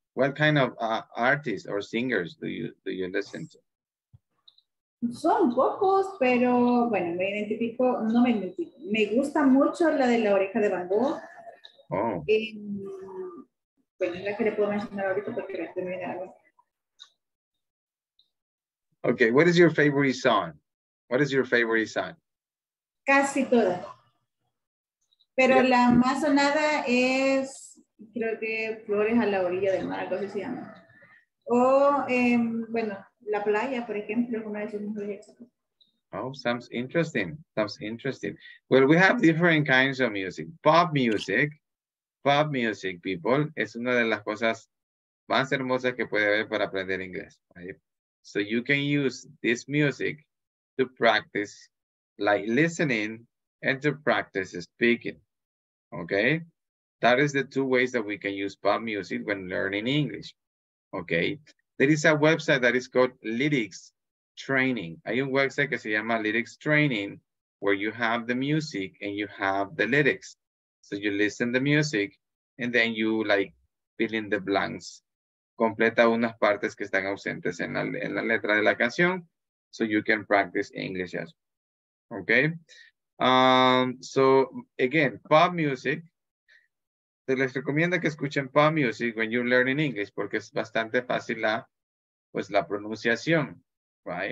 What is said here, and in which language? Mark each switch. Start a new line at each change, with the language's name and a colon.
English: What kind of artists or singers do you listen to?
Spanish: Son pocos, pero bueno, me identifico, no me identifico. Me gusta mucho la de la oreja de Van Gogh. Oh. Y, bueno, la que le puedo mencionar ahorita porque la terminaron.
English: Okay, what is your favorite song? What is your favorite song?
Spanish: Casi todas. Pero yeah. La más sonada es creo que Flores a la orilla del mar, algo así se llama. O, bueno, la playa, por ejemplo, es una de sus mejores éxitos.
English: Oh, sounds interesting. Sounds interesting. Well, we have different kinds of music. Pop music. Pop music, people.
Spanish: Es una de las cosas más hermosas que puede haber para aprender inglés.
English: Right? So you can use this music to practice like listening and to practice speaking. Okay? That is the two ways that we can use pop music when learning English. Okay? There is a website that is called Lyrics Training.
Spanish: Hay un website que se llama
English: Lyrics Training, where you have the music and you have the lyrics. So you listen to the music and then you like fill in the blanks.
Spanish: Completa unas partes que están ausentes en la letra de la canción.
English: So you can practice English as well. Okay. So again, pop music.
Spanish: Te les recomiendo que escuchen
English: pop music when you're learning English
Spanish: porque es bastante fácil la pronunciación.
English: Right?